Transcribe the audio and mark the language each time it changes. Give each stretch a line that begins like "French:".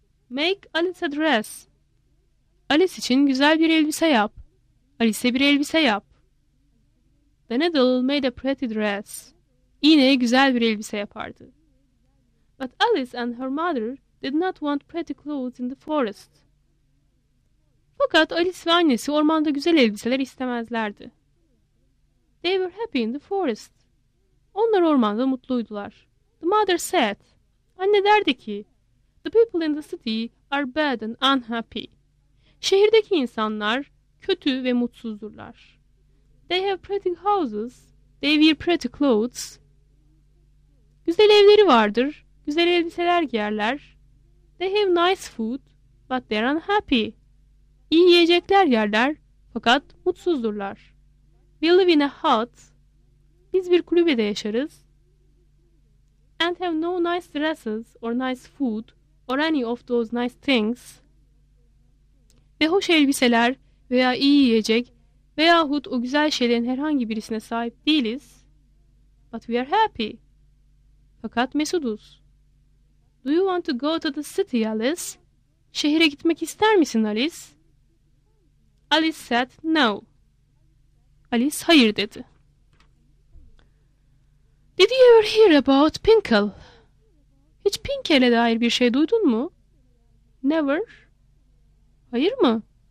English: Make Alice a dress.
Turkish: Alice için güzel bir elbise yap. Alice'e bir elbise yap.
English: The needle made a pretty dress.
Turkish: İğne güzel bir elbise yapardı.
English: But Alice and her mother did not want pretty clothes in the forest.
Turkish: Fakat Alice ve annesi ormanda güzel elbiseler istemezlerdi.
English: They were happy in the forest.
Turkish: Onlar ormanda mutluydular.
English: The mother said,
Turkish: Anne derdi ki,
English: The people in the city are bad and unhappy.
Turkish: Şehirdeki insanlar kötü ve mutsuzdurlar.
English: They have pretty houses. They wear pretty clothes.
Turkish: Güzel evleri vardır. Güzel elbiseler giyerler.
English: They have nice food, but they're unhappy.
Turkish: İyi yiyecekler yerler, fakat mutsuzdurlar.
English: We live in a hut.
Turkish: Biz bir kulübede yaşarız.
English: And have no nice dresses or nice food or any of those nice things.
Turkish: Ve hoş elbiseler veya iyi yiyecek veyahut o güzel şeylerin herhangi birisine sahip değiliz.
English: But we are happy.
Turkish: Fakat mesuduz.
English: Do you want to go to the city, Alice?
Turkish: Şehire gitmek ister misin, Alice?
English: Alice said no.
Turkish: Alice hayır dedi.
English: Did you ever hear about Pinkle?
Turkish: Hiç Pinkle'e dair bir şey duydun mu?
English: Never.
Turkish: Hayır mı?